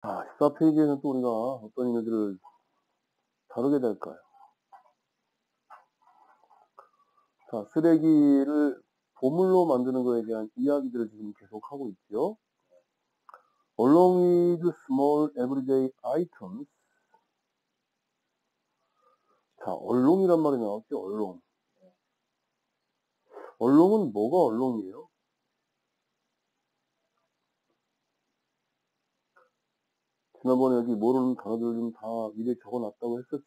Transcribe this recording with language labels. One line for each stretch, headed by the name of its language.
Korean: 4페이지에는 또 우리가 어떤 이야기를 다루게 될까요? 자, 쓰레기를 보물로 만드는 것에 대한 이야기들을 지금 계속 하고 있죠.
English: Along with small everyday items.
Korean: 자, 얼룩이란 말이 나왔죠, 얼룩. 얼룩은 뭐가 얼룩이에요? 지난번에 여기 모르는 단어들 좀다 미리 적어 놨다고 했었지?